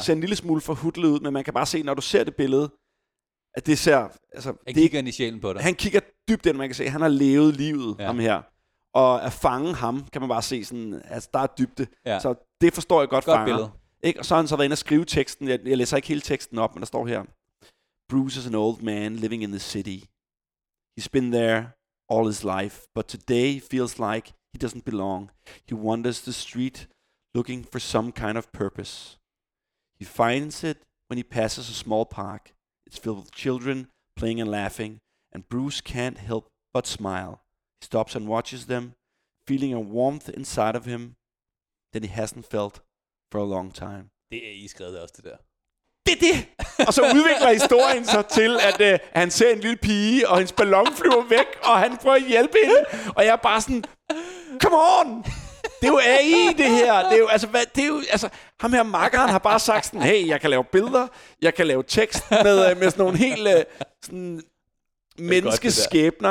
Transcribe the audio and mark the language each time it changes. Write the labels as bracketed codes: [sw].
[da] Ser en lille smule forhudlet ud, men man kan bare se, når du ser det billede, at det ser... Altså, han kigger ind i sjælen på dig. Han kigger dybt ind, man kan se, han har levet livet, ja, ham her. Og at fange ham, kan man bare se, sådan, altså, der er dybde. Ja. Så det forstår jeg godt, godt fanger. Billede. Ikke? Og så har han så været inde og skrive teksten. Jeg læser ikke hele teksten op, men der står her. [en] Bruce is an old man living in the city. He's been there all his life, but today feels like he doesn't belong. He wanders the street looking for some kind of purpose. He finds it when he passes a small park. It's filled with children playing and laughing, and Bruce can't help but smile. He stops and watches them, feeling a warmth inside of him that he hasn't felt for a long time. [da] Det er I skrevet også, det der. Det er det! Og så udvikler historien sig til, at han ser en lille pige, og hendes ballon flyver væk, og han prøver at hjælpe hende. Og jeg er bare sådan, [en] come on! [da] Det er jo AI, det her. Det er jo, altså, ham her makkeren har bare sagt sådan, hey, jeg kan lave billeder, jeg kan lave tekst med sådan nogle helt sådan menneskeskæbner.